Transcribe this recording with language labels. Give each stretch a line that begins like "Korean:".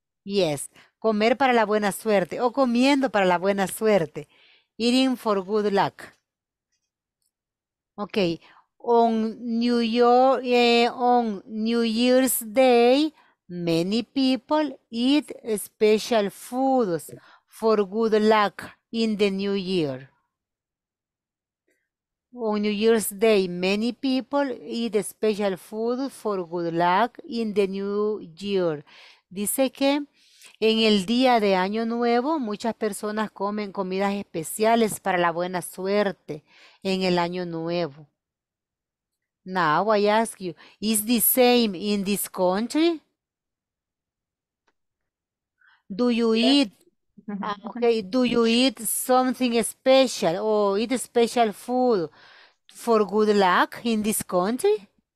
Spanish: Yes, comer para la buena suerte o comiendo para la buena suerte.
English: Eating for good luck. Okay, on New Year's Day, many people eat special foods for good luck in the New Year. On New Year's Day, many people eat special food for good luck in the New Year.
Spanish: Dice que en el día de Año Nuevo, muchas personas comen comidas especiales para la buena suerte en el Año Nuevo.
English: Now I ask you, is the same in this country? Do you eat? Okay, do you eat something special or eat special food for good luck in this country?